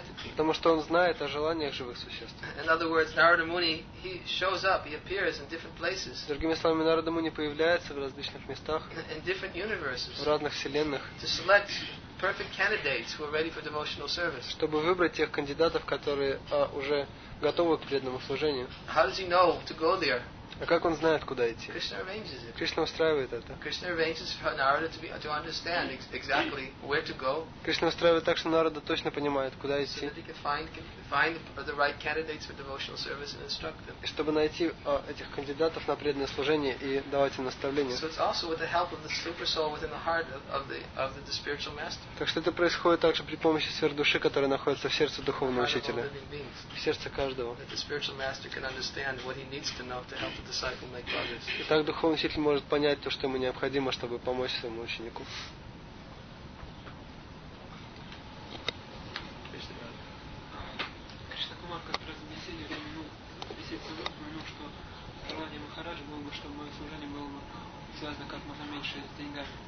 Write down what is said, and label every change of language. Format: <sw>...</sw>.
<ru>Потому что он знает о желаниях живых существ.</ru> <en>In other words, Narada Muni, he shows up, he appears in different places.</en> <ru>Другими словами, Нарада Муни появляется в различных местах,</ru> <en>in different universes,</en> <ru>в разных вселенных.</ru> <en>To select perfect candidates who are ready for devotional service.</en> <ru>Чтобы выбрать тех кандидатов, которые уже готовы к преданному служению.</ru> <en>How does he know to go there?</en> <ru>А как он знает, куда идти?</ru> <en>Krishna arranges it.</en> <ru>Кришна устраивает это.</ru> <en>Krishna arranges for Narada to understand exactly where to go.</en> <ru>Кришна устраивает так, что Нарада точно понимает, куда идти.</ru> <en>So that he can find the right candidates for devotional service and instruct them.</en> <ru>И чтобы найти этих кандидатов на преданное служение и давать им наставления.</ru> <en>So it's also with the help of the super soul within the heart of the spiritual master.</en> <ru>Так что это происходит также при помощи сверхдуши, которая находится в сердце духовного учителя, в сердце каждого.</ru> <en>That the spiritual master can understand what he needs to know to help.</en> <ru>И так духовный учитель может понять то, что ему необходимо, чтобы помочь своему ученику. Кришна Кумар, который за беседе упомянул, что желание Махараджа было бы, чтобы мое служение было бы связано как можно меньше с деньгами.</ru>